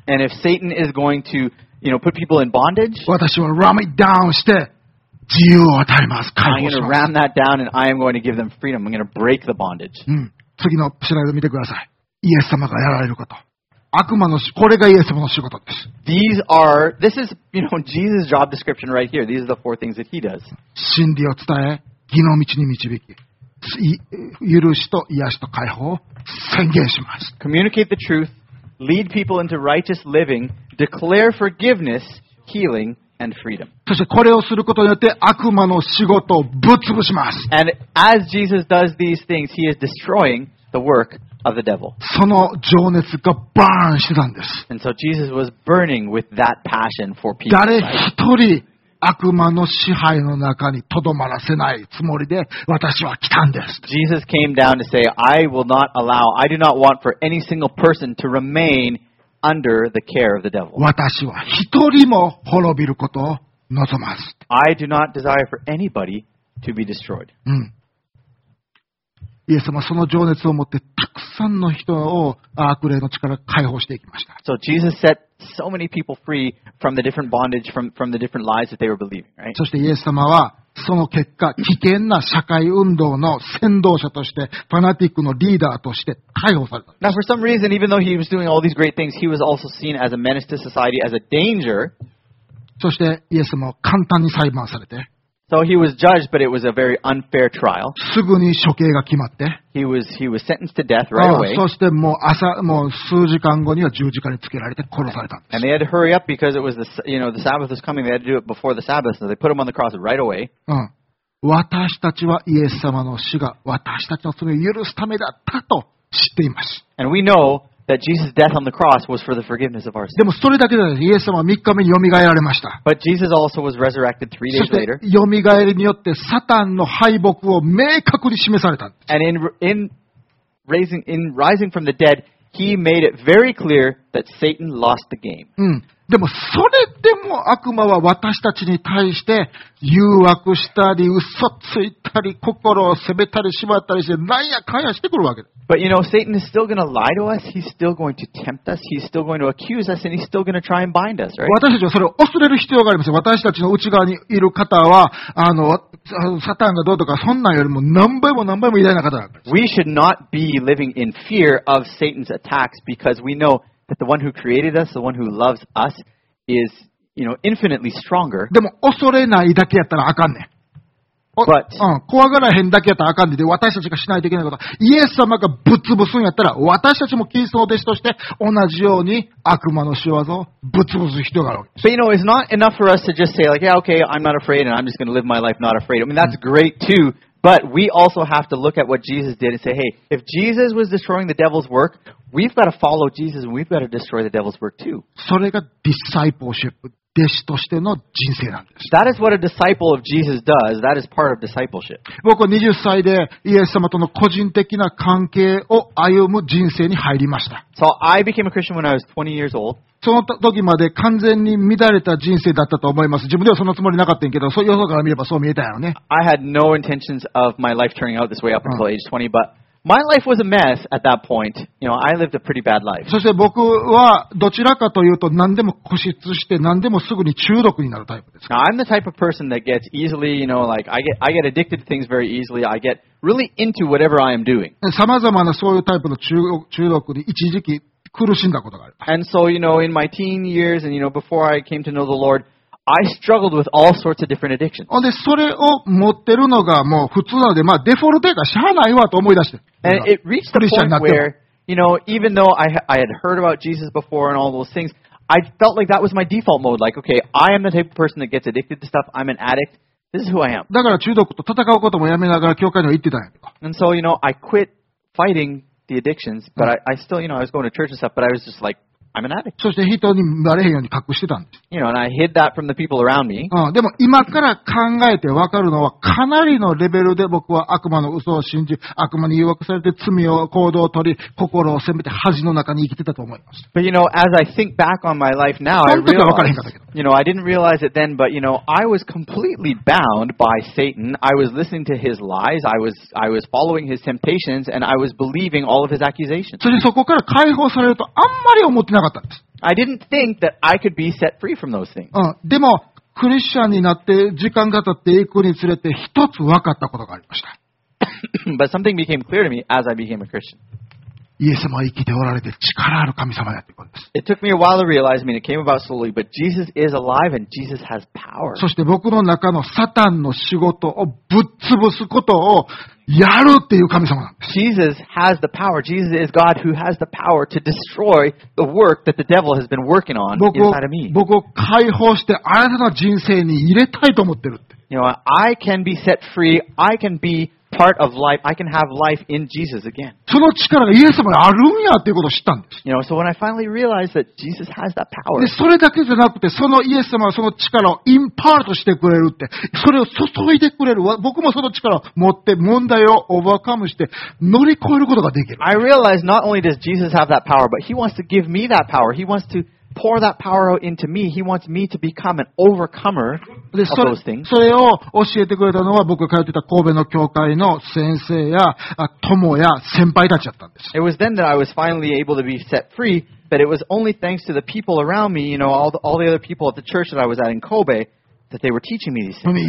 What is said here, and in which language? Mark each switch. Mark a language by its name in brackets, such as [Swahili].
[English] And if Satan is going to, you know, put people in bondage, [Japanese] 私は [English] ram it down [Japanese] して自由を与えます。 [English] I'm going to ram that down and I am going to give them freedom. I'm going to break the bondage. [Japanese] 次のスライド見てください。イエス様がやられること。悪魔のこれがイエス様の仕事です。 [English] This is, you know, Jesus' job description right here. These are the four things that he does. [Japanese] 真理を伝え、義の道に導き、許しと癒しと解放を宣言します。 [English] Communicate the truth, lead people into righteous living, declare forgiveness, healing, and freedom. [Japanese] そしてこれをすることによって悪魔の仕事をぶっ潰します。 [English] And as Jesus does these things, he is destroying the work of the devil. [Japanese] その情熱がバーンしてたんです。 [English] And so Jesus was burning with that passion for people. [Japanese] 誰一人悪魔の支配の中にとどまらせないつもりで私は来たんです。 [English] Jesus came down to say, I will not allow, I do not want for any single person to remain under the care of the devil. [Japanese] 私は一人も滅びることを望ます。 [English] I do not desire for anybody to be destroyed. [Japanese] うん。イエス様はその情熱を持ってたくさんの人を悪霊の力から解放していきました。 [English] So Jesus set so many people free from the different bondage, from the different lies that they were believing, right? [Japanese] そしてイエス様はその結果、危険な社会運動の先導者として、ファナティックのリーダーとして解放された。 [English] Now for some reason, even though he was doing all these great things, he was also seen as a menace to society, as a danger. [Japanese] そしてイエス様は簡単に裁判されて、 [English] So he was judged, but it was a very unfair trial. [Japanese] すぐに処刑が決まって。 [English] He was sentenced to death right away. [Japanese] そしてもう朝、もう数時間後には十字架につけられて殺されたんです。 [English] And they had to hurry up because it was the, you know, the Sabbath was coming. They had to do it before the Sabbath, so they put him on the cross right away. [Japanese] うん。私たちはイエス様の死が私たちの罪を許すためだったと知っています。 [English] And we know that Jesus' death on the cross was for the forgiveness of our sins. [Japanese] でもそれだけではない。イエス様は三日目に蘇られました。 [English] But Jesus also was resurrected three days later. [Japanese] そして蘇りによってサタンの敗北を明確に示されたんです。 [English] And in rising from the dead, he made it very clear that Satan lost the game. [Japanese] うん。でもそれでも悪魔は私たちに対して誘惑したり嘘ついたり心を責めたりしまったりしてなんやかんやしてくるわけです。 [English] But you know, Satan is still going to lie to us. He's still going to tempt us. He's still going to accuse us, and he's still going to try and bind us, right? [Japanese] 私たちはそれを恐れる必要があります。私たちの内側にいる方は、サタンがどうとかそんなんよりも何倍も何倍も偉大な方だから。 [English] We should not be living in fear of Satan's attacks because we know that the one who created us, the one who loves us, is, you know, infinitely stronger. [Japanese] でも恐れないだけやったらあかんねん。 [English] But, [Japanese] 怖がらへんだけやったらあかんで、で私たちがしないといけないことイエス様がぶっ潰すんやったら私たちもキリストの弟子として同じように悪魔の仕業をぶっ潰す人があるわけです。 [English] But you know, it's not enough for us to just say like, yeah, okay, I'm not afraid and I'm just going to live my life not afraid. I mean, that's great too, but we also have to look at what Jesus did and say, hey, if Jesus was destroying the devil's work, we've got to follow Jesus and we've got to destroy the devil's work too. [Japanese] それがディサイポーシップ。弟子としての人生なんです。 [English] That is what a disciple of Jesus does. That is part of discipleship. [Japanese] 僕は20歳でイエス様との個人的な関係を歩む人生に入りました。 [English] So I became a Christian when I was 20 years old. [Japanese] その時まで完全に乱れた人生だったと思います。自分ではそんなつもりなかったんけど、よそから見ればそう見えたよね。 [English] I had no intentions of my life turning out this way up until age 20, but my life was a mess at that point. You know, I lived a pretty bad life. [Japanese] そして僕はどちらかというと何でも固執して何でもすぐに中毒になるタイプです。 [English] Now, I'm the type of person that gets easily, you know, like I get addicted to things very easily. I get really into whatever I am doing. [Japanese] さまざまなそういうタイプの中毒に一時期苦しんだことがある。 [English] And so, you know, in my teen years and, you know, before I came to know the Lord,I struggled with all sorts of different addictions. [Japanese] で、それを持ってるのがもう普通なので、まあデフォルトがしゃあないわと思い出して。 [English] And it reached the point where, you know, even though I had heard about Jesus before and all those things, I felt like that was my default mode. Like, okay, I am the type of person that gets addicted to stuff. I'm an addict. This is who I am. [Japanese] だから中毒と戦うこともやめながら教会には行ってたんやけど。 [English] And so, you know, I quit fighting the addictions, but I still, you know, I was going to church and stuff, but I was just like,I'm an addict. [Japanese] そして人にバレへんように隠してたんです。 [English] You know, and I hid that from the people around me. [Japanese] うん、でも今から考えてわかるのはかなりのレベルで僕は悪魔の嘘を信じ、悪魔に誘惑されて罪を行動を取り、心を責めて恥の中に生きてたと思います。 [English] But you know, as I think back on my life now, I realize, you know, I didn't realize it then, but you know, I was completely bound by Satan. I was listening to his lies. I was following his temptations, and I was believing all of his accusations. [Japanese] そしてそこから解放されるとあんまり思ってなかったんです。 [English] I didn't think that I could be set free from those things. [Japanese] うん、でもクリスチャンになって時間が経っていくにつれて一つ分かったことがありました。 [English] But something became clear to me as I became a Christian. [Japanese] イエス様は生きておられて力ある神様だということです。 [English] It took me a while to realize, I mean, it came about slowly, but Jesus is alive and Jesus has power. [Japanese] そして僕の中のサタンの仕事をぶっ潰すことをやるっていう神様なんです。 [English] Jesus has the power. Jesus is God who has the power to destroy the work that the devil has been working on inside of me. [Japanese] 僕を解放して新たな人生に入れたいと思ってるって。 [English] You know, I can be set free. I can be part of life, I can have life in Jesus again. [Japanese] その力がイエス様にあるんやっていうことを知ったんです。 [English] You know, so when I finally realized that Jesus has that power. [Japanese] で、それだけじゃなくて、そのイエス様はその力をインパートしてくれるって、それを注いでくれる。僕もその力を持って問題をオーバーカムして乗り越えることができる。 [English] I realized not only does Jesus have that power, but he wants to give me that power. He wants to pour that power out into me. He wants me to become an overcomer of those things. [Japanese] それを教えてくれたのは僕が通ってた神戸の教会の先生や友や先輩たちだったんです。 [English] It was then that I was finally able to be set free, but it was only thanks to the people around me, you know, all the other people at the church that I was at in Kobe, that they were teaching me these things.